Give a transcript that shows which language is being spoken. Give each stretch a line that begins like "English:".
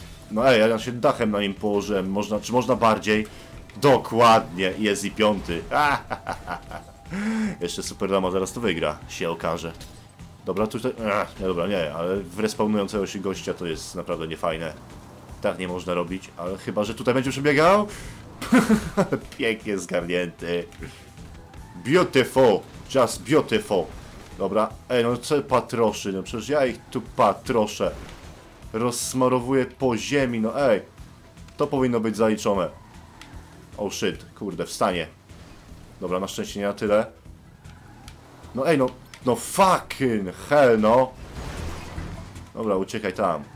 Polish: No ej, ja się dachem na nim położyłem. Można, czy można bardziej? Dokładnie, jest i piąty. Jeszcze Superdama zaraz to wygra, się okaże. Dobra, tutaj... nie, dobra, nie, ale w respawnującego się gościa to jest naprawdę niefajne. Tak nie można robić, ale chyba, że tutaj będzie przebiegał. Pięknie zgarnięty.
English: Beautiful, just beautiful.
Polish: Dobra, ej, no co patroszy, no przecież ja ich tu patroszę. Rozsmarowuję po ziemi, no ej. To powinno być zaliczone.
English: Oh shit,
Polish: kurde, wstanie. Dobra, na szczęście nie na tyle. No ej, no, no
English: fucking hell,
Polish: no. Dobra, uciekaj tam.